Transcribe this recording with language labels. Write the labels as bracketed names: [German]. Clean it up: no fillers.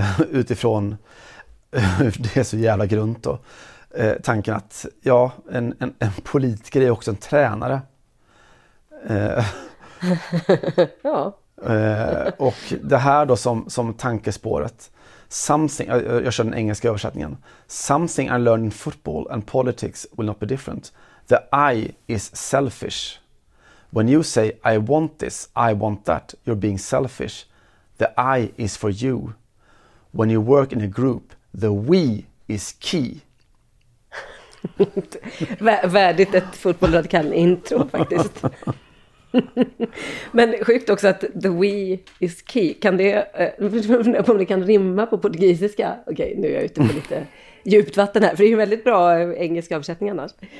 [Swedish] Utifrån det är så jävla grunt då. Tanken att ja, en politiker är också en tränare. Ja. Och det här då som tankespåret. Something, jag kör den engelska översättningen. [English] Something I learned in football and politics will not be different. The I is selfish. When you say I want this, I want that, you're being selfish. The I is for you. When you work in a group, the we is key. [Swedish] Värdigt ett fotbollradikal intro faktiskt. Men sjukt också att [English] the we is key. [Swedish] Kan det, om det kan rimma på portugisiska? Okej, nu är jag ute på lite djupt vatten här. För det är ju väldigt bra engelska översättning annars.